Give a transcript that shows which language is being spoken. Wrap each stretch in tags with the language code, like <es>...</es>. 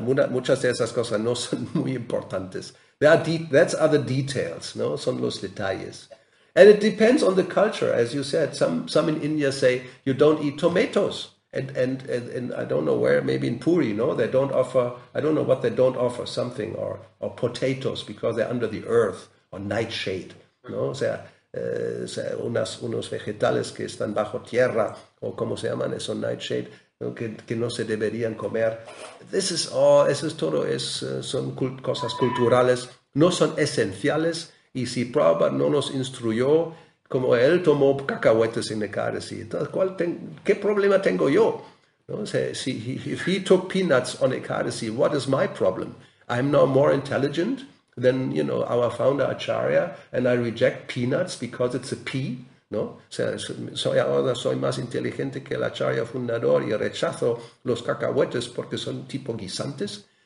<es>Muchas de esas cosas no son muy importantes.</es> <en>That's other details.</en> <es>No, son los detalles.</es> <en>And it depends on the culture, as you said. Some in India say you don't eat tomatoes. And I don't know where, maybe in Puri, no, they don't offer, I don't know what they don't offer, something or potatoes because they're under the earth or nightshade, no,</en> <es>o sea, unos vegetales que están bajo tierra o como se llaman, eso</es> <en>nightshade, ¿no?</en> <es>Que no se deberían comer.</es> <en>This is all,</en> <es>eso es todo, son cosas culturales, no son esenciales, y si Prabhupada no nos instruyó, como él tomó cacahuetes en ecadasi, ¿qué problema tengo yo? No, si</es> <en>he took peanuts on ecadasi, what is my problem? I'm now more intelligent than, you know, our founder Acharya, and I reject peanuts because it's a pea, ¿no?</en> <es>O sea, soy ahora soy más inteligente que el Acharya fundador y rechazo los cacahuetes porque son tipo guisantes.</es>